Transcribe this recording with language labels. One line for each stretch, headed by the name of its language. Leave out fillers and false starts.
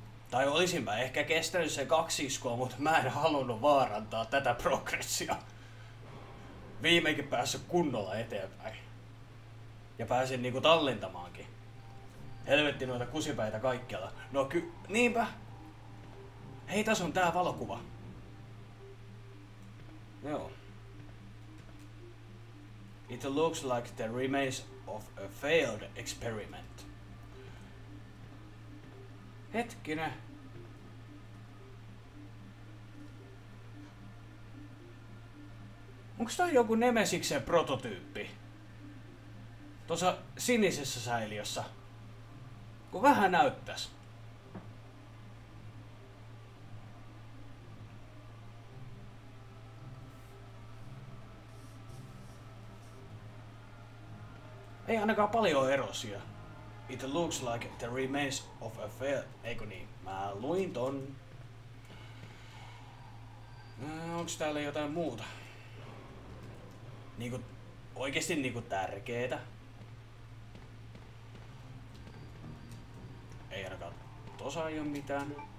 Finnish: Tai olisin mä ehkä kestänyt sen kaksi iskua, mutta mä en halunnut vaarantaa tätä progressia. Viimeinkin päässyt kunnolla eteenpäin. Ja pääsin niinku tallentamaankin. Helvetti noita kusipäitä kaikkialla. No niinpä. Hei, tässä on tää valokuva. Joo.
English: It looks like the remains of a failed experiment.
Finnish: Hetkinen. Onks toi joku Nemesiksen prototyyppi? Tuossa sinisessä säiliössä. Ku vähän näyttäis. Ei ainakaan paljon erosia.
English: It looks like the remains of a fair...
Finnish: Eiku niin, mä luin ton. Onks täällä jotain muuta? Niinku, oikeesti niinku tärkeetä. Ei ainakaan tosa ei oo mitään.